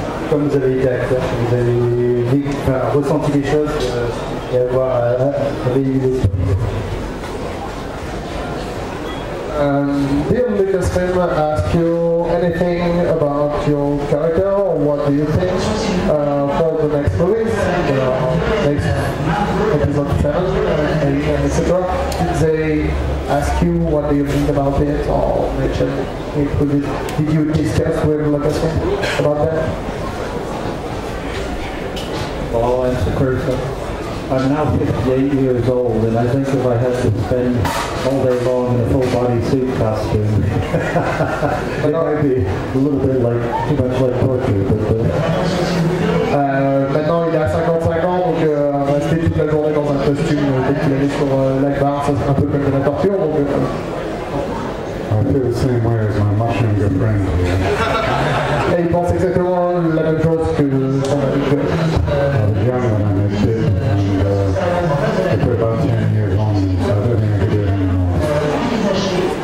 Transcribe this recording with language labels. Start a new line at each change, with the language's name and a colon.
French: comme vous avez été acteur, vous avez ressenti des choses et avoir eu des surprises.
English: Did Lucas Film ask you anything about your character or what do you think for the next movies, you know, next episode 7, etc. Did they ask you what do you think about it or mention it? Did you discuss with Lucas Film about that? Well, I'll answer first. I'm now 58 years old and I think if I had to spend all day long in a full body suit costume, it might be a little bit like, too much like torture, but
French: maintenant il a 55 ans, donc rester toute la journée dans un costume dès qu'il allait sur la barre, ça serait un peu comme de la torture, donc...
English: I feel the same way as my mushroom good friend.
French: Et il pense exactement la même chose que son ami.
English: I was young when I made it, and I put about 10 years on, so I don't think I could do it anymore.